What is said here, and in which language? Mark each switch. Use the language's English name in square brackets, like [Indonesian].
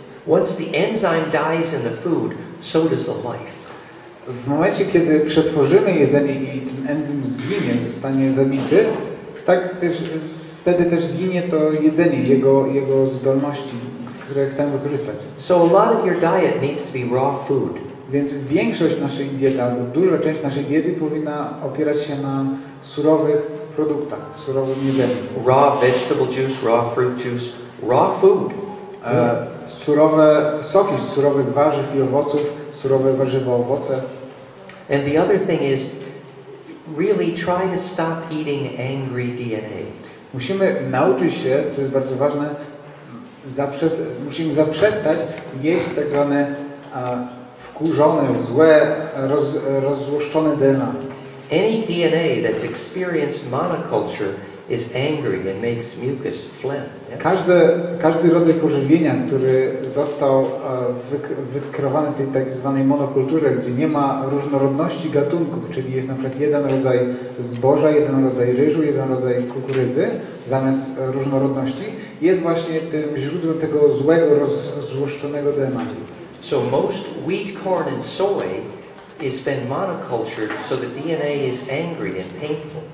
[English] Once the enzyme dies in the food, so does the life. [Polish] W momencie, kiedy przetworzymy jedzenie i ten enzym zginie, zostanie zabity, tak też, wtedy też ginie to jedzenie, jego zdolności, które chcemy wykorzystać. [English] So a lot of your diet needs to be raw food. [Polish] Więc większość naszej diety, albo duża część naszej diety powinna opierać się na surowych produktach, surowym jedzeniu. [English] Raw vegetable juice, raw fruit juice, raw food. [Polish] Surowe soki z surowych warzyw i owoców, surowe warzywa, owoce. [English] And the other thing is really try to stop eating angry DNA. [Polish] Musimy nauczyć się, co jest bardzo ważne, musimy zaprzestać jeść tak zwane wkurzone, złe, rozzłoszczone DNA. [English] Any DNA that's experienced monoculture is angry and makes mucus phlegm. [Polish] Każdy rodzaj pożywienia, który został wykreowany w tej tak zwanej monokulturze, gdzie nie ma różnorodności gatunków, czyli jest na przykład jeden rodzaj zboża, jeden rodzaj ryżu, jeden rodzaj kukurydzy, zamiast różnorodności, jest właśnie tym źródłem tego złego, rozzłoszczonego DNA. [English] So most wheat, corn and soy is been monocultured, so the DNA is angry and painful.